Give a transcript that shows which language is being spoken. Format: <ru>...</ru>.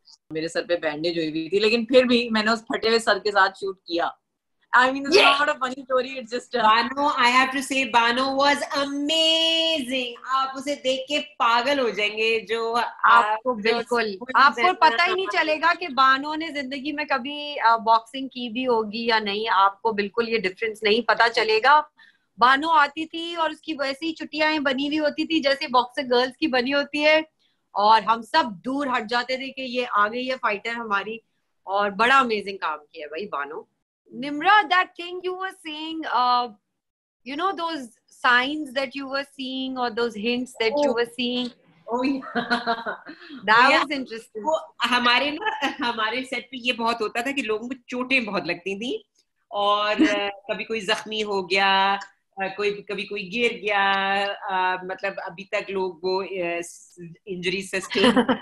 <ur>میرے سر پہ بینڈیج ہوئی ہوئی تھی, لیکن پھر بھی میں نے اس پھٹے ہوئے سر کے ساتھ شوٹ کیا.</ur> <en>I mean, it's not a funny story. It's just Bano, I have to say, Bano was amazing.</en> <ur>آپ اسے دیکھ کے پاگل ہو جائیں گے. جو آپ کو بالکل آپ کو پتا ہی نہیں چلے گا کہ بانو نے زندگی میں کبھی باکسنگ کی بھی ہوگی یا نہیں, آپ کو بالکل یہ ڈفرینس نہیں پتا چلے گا. بانو آتی تھی اور اس کی ویسی چٹیاں بنی ہوئی ہوتی تھی جیسے باکسنگ گرلس کی بنی ہوتی ہے, اور ہم سب دور ہٹ جاتے تھے کہ یہ آ گئی ہے فائٹر ہماری, اور بڑا امیزنگ کام کیا ہے بھائی Bano.</ur> <en>Nimra, that thing you were saying, you know those signs that you were seeing or those hints that you were seeing? Oh yeah. That was interesting.</en> <ur>ہمارے نا ہمارے سیٹ پہ یہ بہت ہوتا تھا کہ لوگوں کو چوٹیں بہت لگتی تھیں, اور کبھی کوئی زخمی ہو گیا, کوئی کبھی کوئی گر گیا, مطلب ابھی تک لوگ وہ انجری سسٹین.</ur>